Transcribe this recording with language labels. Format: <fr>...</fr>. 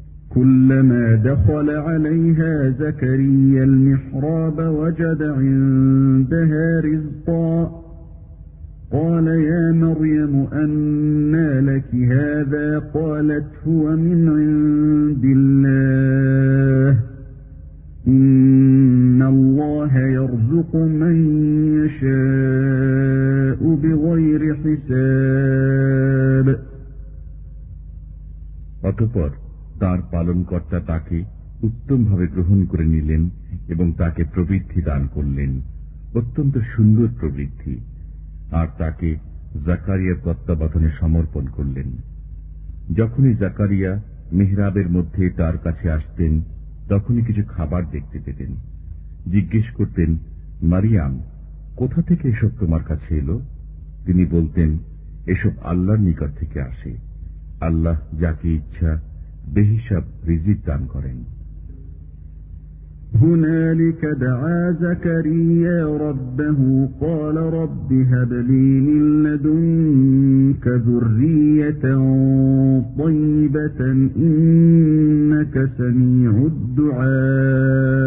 <ar>كلما دخل عليها زكريا المحراب وجد عندها رزقا قال يا مريم أنى لك هذا قالت هو من عند الله إن الله يرزق من يشاء بغير حساب. أكبر</ar> <bn>তাঁর পালনকর্তা তাকে উত্তমভাবে গ্রহণ করে নিলেন এবং তাকে প্রবৃদ্ধি দান করলেন, অত্যন্ত সুন্দর প্রবৃদ্ধি। আর তাকে জাকারিয়ার তত্ত্বাবধানে সমর্পণ করলেন। যখনই জাকারিয়া মেহরাবের মধ্যে তার কাছে আসতেন, তখনই কিছু খাবার দেখতে পেতেন। জিজ্ঞেস করতেন, মারিয়াম, কোথা থেকে এসব তোমার কাছে এলো? তিনি বলতেন, এসব আল্লাহর নিকট থেকে আসে। আল্লাহ যাকে ইচ্ছা বেহিসাব রিজিক দান করেন।</bn> <ar>هنالك دعا زكريا ربه قال رب هب لي من لدنك ذرية طيبة إنك سميع الدعاء</ar>